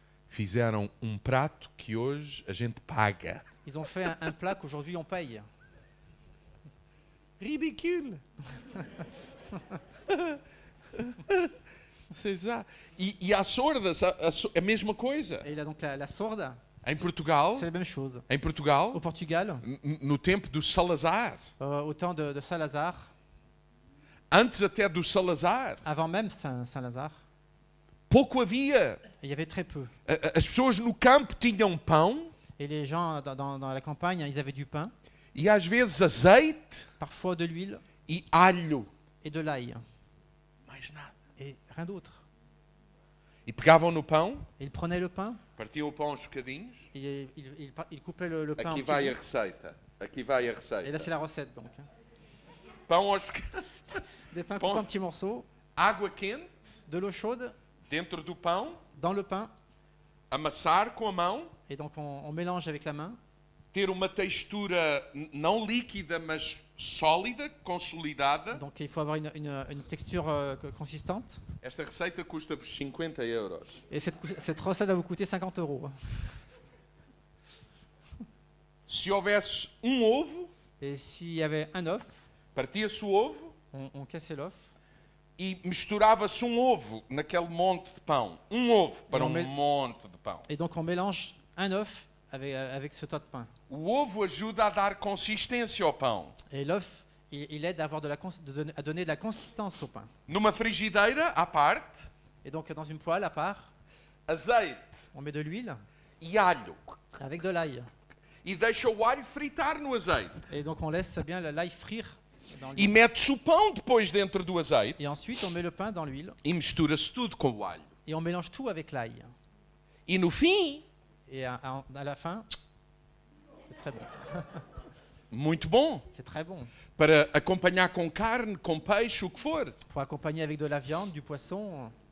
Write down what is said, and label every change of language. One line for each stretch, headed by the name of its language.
Portuguese: Fizeram um prato que hoje a gente paga.
French: Ils ont fait un plat qu'aujourd'hui on paye. Ridicule.
Portuguese: Vocês já. E a sorda, é a mesma coisa.
French: Et là, donc, la sorda,
Portuguese: em Portugal.
French: C'est la même chose.
Portuguese: Em Portugal.
French: Au Portugal.
Portuguese: No tempo do Salazar.
French: Au temps de Salazar.
Portuguese: Antes até do Salazar.
French: Avant même Salazar.
Portuguese: Pouco havia.
French: Il y avait très peu.
Portuguese: As pessoas no campo tinham pão.
French: Et les gens dans la campagne, ils avaient du pain.
Portuguese: E às vezes azeite.
French: Parfois de l'huile.
Portuguese: E alho.
French: Et de l'ail.
Portuguese: Mais nada.
French: Et rien d'autre.
Portuguese: E pegavam no pão.
French: Ils prenaient le pain.
Portuguese: Partiam o pão aos bocadinhos.
French: Et ils coupaient le pain.
Portuguese: Aqui vai a receita. Aqui vai a receita.
French: Et là c'est la recette donc.
Portuguese: Pão aos bocadinhos.
French: Des pains coupés en petits morceaux.
Portuguese: Água quente.
French: De l'eau chaude.
Portuguese: Dentro do pão.
French: Dans le pain.
Portuguese: Amassar com a mão.
French: Et donc on mélange avec la main.
Portuguese: Ter uma textura não líquida, mas sólida, consolidada.
French: Donc il faut avoir une texture consistante.
Portuguese: Esta receita custa-vos 50 euros.
French: Et cette recette va vous coûter 50 euros.
Portuguese: Se houvesse um ovo.
French: Et s'il y avait un œuf.
Portuguese: Partia-se o ovo.
French: On cassait l'œuf.
Portuguese: E misturava-se um ovo naquele monte de pão. Um ovo para um monte de pão.
French: Et donc on mélange un œuf avec ce tas de pain.
Portuguese: O ovo ajuda a dar consistência ao pão.
French: Et l'œuf, il aide à donner de la consistance au pain.
Portuguese: Numa frigideira à parte.
French: Et donc dans une poêle à part.
Portuguese: Azeite.
French: On met de l'huile.
Portuguese: E alho.
French: Avec de l'ail.
Portuguese: E deixa o alho fritar no azeite.
French: Et donc on laisse bien l'ail frire.
Portuguese: E mete-se o pão depois dentro do azeite.
French: Et ensuite on met le pain dans l'huile.
Portuguese: E mistura-se tudo com o alho.
French: Et on mélange tout avec l'ail.
Portuguese: E no fim.
French: Et à la fin. C'est très bon.
Portuguese: Muito bom.
French: C'est très bon.
Portuguese: Para acompanhar com carne, com peixe, o que for.
French: Pour accompagner avec de la viande, du poisson.